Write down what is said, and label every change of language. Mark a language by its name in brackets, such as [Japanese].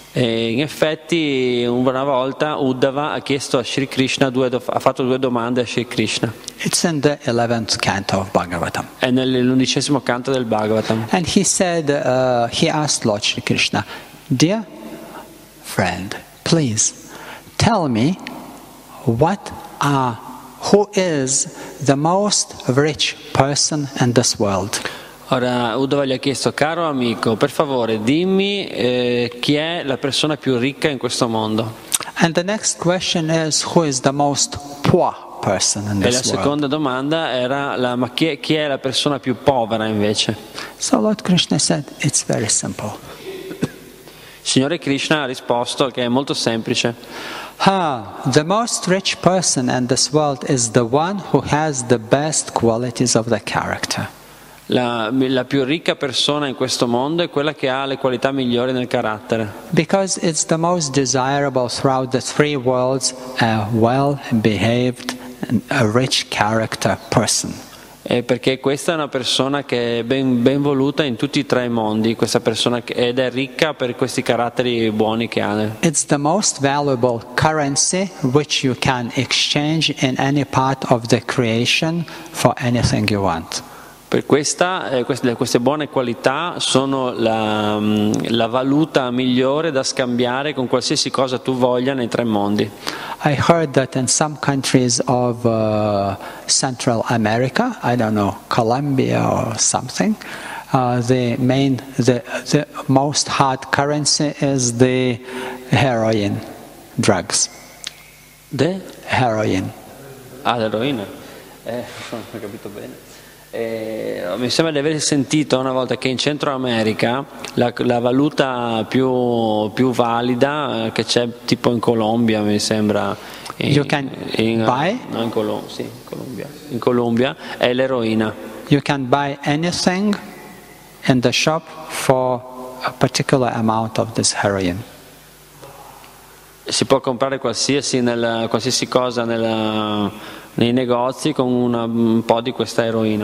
[Italian] E in effetti una volta Uddhava ha chiesto a Shri Krishna ha fatto due domande a Shri Krishna. [English] It's in the 11th canto of Bhagavatam. [Italian] È nell'undicesimo canto del Bhagavatam. [English] And he said he asked Lord Shri Krishna, "Dear friend, please tell me who is the most rich person in this world?" [Italian] Ora Uddhava gli ha chiesto: "Caro amico, per favore dimmi chi è la persona più ricca in questo mondo." [English] And the next question is, who is the most poor person in this world? [Italian] E la seconda domanda era ma chi è la persona più povera invece? [English] So Lord Krishna said, it's very simple. [Italian] Signore Krishna ha risposto che è molto semplice. [English] Ah, the most rich person in this world is the one who has the best qualities of the character. [Italian] La più ricca persona in questo mondo è quella che ha le qualità migliori nel carattere. [English] Because it's the most desirable throughout the three worlds, a well-behaved, a rich character person. [Italian] È perché questa è una persona che è ben voluta in tutti i tre mondi, questa persona che, ed è ricca per questi caratteri buoni che ha. [English] It's the most valuable currency which you can exchange in any part of the creation for anything you want. [Italian] Per queste buone qualità sono la valuta migliore da scambiare con qualsiasi cosa tu voglia nei tre mondi. [English] I heard that in some countries of Central America, I don't know, Colombia or something, the most hard currency is the heroin drugs. The heroin. [Italian] Ah, l'eroina. Non ho capito bene. Mi sembra di aver sentito una volta che in Centro America la valuta più valida che c'è, tipo in Colombia, mi sembra, in Colombia, è l'eroina. [English] You can buy anything in the shop for a particular amount of this heroin. [Italian] Si può comprare qualsiasi cosa nei negozi con un po' di questa eroina.